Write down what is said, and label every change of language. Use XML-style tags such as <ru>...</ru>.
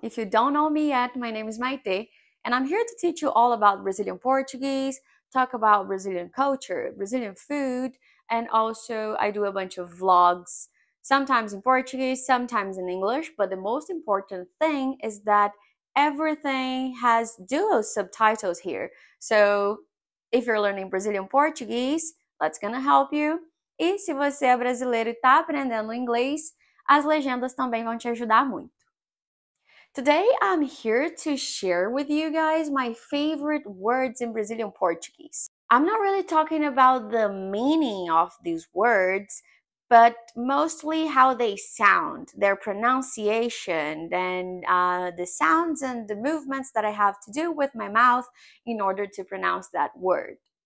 <en>If you don't know me yet, my name is Maite, and I'm here to teach you all about Brazilian Portuguese, talk about Brazilian culture, Brazilian food, and also I do a bunch of vlogs, sometimes in Portuguese, sometimes in English, but the most important thing is that everything has duo subtitles here. So if you're learning Brazilian Portuguese, that's gonna help you.</en> <pt>E se você é brasileiro e tá aprendendo inglês, as legendas também vão te ajudar muito.</pt> <en>Today I'm here to share with you guys my favorite words in Brazilian Portuguese. I'm not really talking about the meaning of these words, but mostly how they sound, their pronunciation, and the sounds and the movements that I have to do with my mouth in order to pronounce that word.</en>